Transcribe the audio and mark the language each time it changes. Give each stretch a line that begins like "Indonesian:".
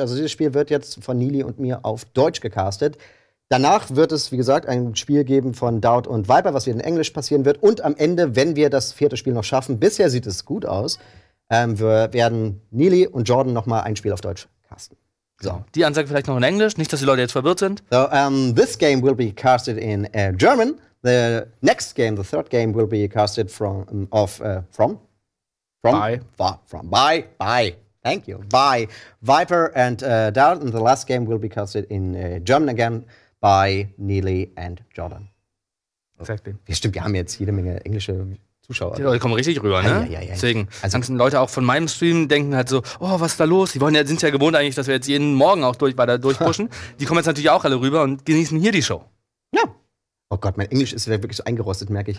German: Also dieses Spiel wird jetzt von Nili und mir auf Deutsch gecastet. Danach wird es, wie gesagt, ein Spiel geben von Daut und Viper, was wieder in Englisch passieren wird. Und am Ende, wenn wir das vierte Spiel noch schaffen, bisher sieht es gut aus, wir werden Nili und Jordan noch mal ein Spiel auf Deutsch casten. So. Die Ansage vielleicht noch in Englisch, nicht, dass die Leute jetzt verwirrt sind.
English: So, this game will be casted in German. The next game, the third game, will be casted by Viper and Daut. And the last game will be casted in German again by Nili and Jordan. Exactly.
German: Ja, stimmt, wir haben jetzt jede Menge englische Zuschauer. Die Leute kommen richtig rüber, ne? Ja. Deswegen, also, die ganzen Leute auch von meinem Stream denken halt so, oh, was ist da los? Die wollen ja, sind ja gewohnt eigentlich, dass wir jetzt jeden Morgen auch durchpushen. Die kommen jetzt natürlich auch alle rüber und genießen hier die Show. Ja. Oh Gott, mein Englisch ist ja wirklich so eingerostet, merke ich